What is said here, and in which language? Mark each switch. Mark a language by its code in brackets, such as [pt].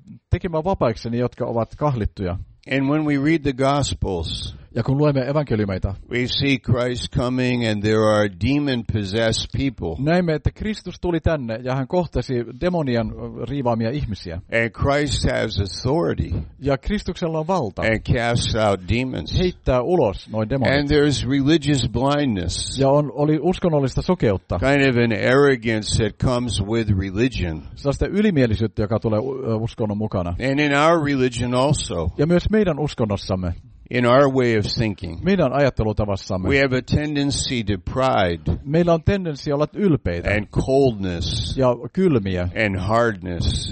[fi] Tekemään vapaiksi ne, jotka ovat kahlittuja. [en] And when we read the gospels, [fi] ja kun luemme evankeliumeita, [en] we see Christ coming and there are demon-possessed people. [fi] Näemme, että Kristus tuli tänne ja hän kohtasi demonian riivaamia ihmisiä. [en] And Christ has authority. [fi] Ja Kristuksella on valta. [en] And casts out demons. [fi] Heittää ulos noin demonit. [en] And there's religious blindness. [fi] Ja oli uskonnollista sokeutta. [en] Kind of an arrogance that comes with religion. [fi] Sellaista ylimielisyyttä, joka tulee uskonnon mukana. [en] And in our religion also. [fi] Ja myös meidän uskonnossamme. [en] In our way of thinking. [fi] Meidän ajattelutavassamme. [en] We have a tendency to pride. [fi] Meillä on tendenssi olla ylpeitä. [en] And coldness. [fi] Ja kylmiä. [en] And hardness.